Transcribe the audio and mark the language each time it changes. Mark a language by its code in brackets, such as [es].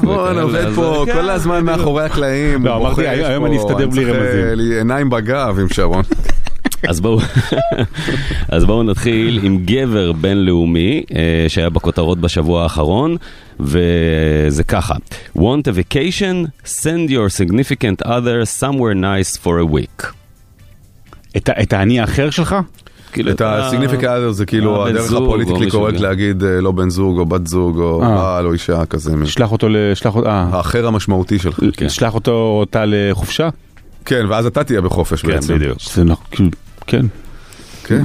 [he] בואו, נעובד פה כל הזמן מאחורי הקלעים. לא, אמרתי, היום אני אסתדר בלי רמזים. אני צריך עיניים בגב עם שרון. אז בואו נתחיל עם גבר בינלאומי שהיה בכותרות בשבוע האחרון, וזה ככה: [en] want a vacation? Send your significant other somewhere nice for a week. [he] את העני האחר שלך? את הסיגניפיקט אדר זה כאילו הדרך הפוליטיקלי קורקט להגיד לא בן זוג או בת זוג או בעל או אישה כזה. שלח אותו האחר המשמעותי שלך. שלח אותו אותה לחופשה? כן, ואז אתה תהיה בחופש בעצם. כן, בדיוק. זה נכון, כאילו, כן. כן.